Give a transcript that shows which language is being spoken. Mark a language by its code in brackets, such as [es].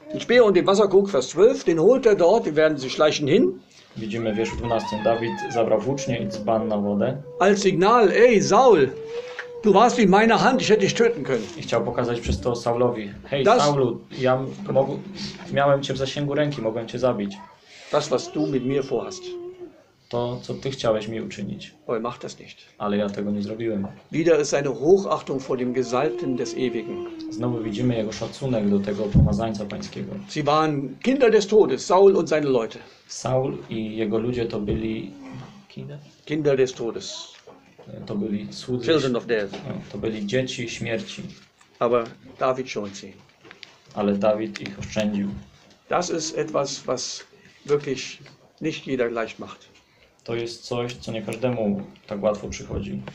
[de] Den Speer und den Wasserkrug, Vers 12, den holt er dort, die werden sich schleichen hin. [pl] Widzimy w wierszu 12, Dawid zabrał włócznie i dzban na wodę. [de] Als Signal, ey, Saul, du warst wie meine Hand, ich hätte dich töten können. [pl] I chciał pokazać przez to Saulowi, hej, das... Saulu, ja miałem cię w zasięgu ręki, mogłem cię zabić. [de] Das, was du mit mir vorhast. [pl] To, co ty chciałeś mi uczynić. [de] Oj, mach das nicht. [pl] Ale ja tego nie zrobiłem. [de] Wieder ist eine Hochachtung vor dem Gesalbten des Ewigen. [pl] Znowu widzimy jego szacunek do tego pomazańca pańskiego. [de] Sie waren Kinder des Todes, Saul und seine Leute. [pl] Saul i jego ludzie to byli... [de] Kinder des Todes. [pl] To byli słudzy... [en] Children of death. No, [pl] to byli dzieci śmierci. [de] Aber David schont sie. [pl] Ale Dawid ich oszczędził. [de] Das ist etwas, was wirklich nicht jeder gleich macht. [pl] To jest coś, co nie każdemu tak łatwo przychodzi.